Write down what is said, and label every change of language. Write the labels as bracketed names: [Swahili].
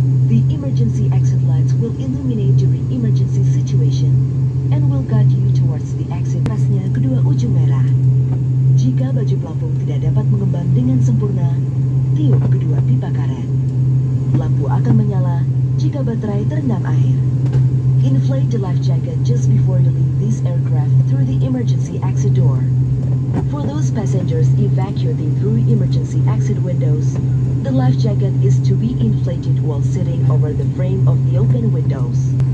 [English] The emergency exit lights will illuminate during emergency situation and will guide you towards the exit. [Indonesian] Pasnya kedua ujung merah. Jika baju pelampung tidak dapat mengembang dengan sempurna, tiup kedua pipa karet. Lampu akan menyala jika baterai terendam air. [English] Inflate the life jacket just before you leave this aircraft through the emergency exit door. For those passengers evacuating through emergency exit windows, the life jacket is to be inflated while sitting over the frame of the open windows.